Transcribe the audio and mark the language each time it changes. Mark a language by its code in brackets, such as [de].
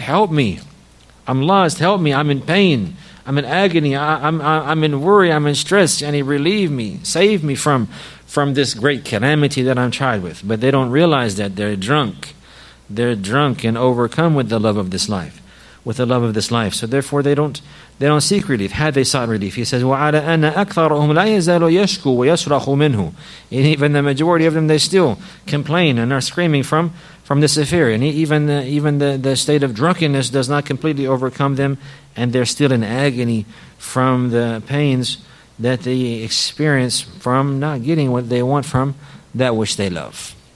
[en] Help me. I'm lost. Help me. I'm in pain. I'm in agony. I'm in worry. I'm in stress. And he relieve me. Save me from this great calamity that I'm tried with. But they don't realize that they're drunk. They're drunk and overcome with the love of this life. With the love of this life. So therefore they don't seek relief. Had they sought relief, he says, [ar] وَعَلَىٰ أَنَّ أَكْثَرُهُمْ لَا يَزَالُ يَشْكُوا وَيَسْرَخُوا مِنْهُ. [en] And even the majority of them, they still complain and are screaming from this affair. And even the state of drunkenness does not completely overcome them, and they're still in agony from the pains that they experience from not getting what they want from that which they love.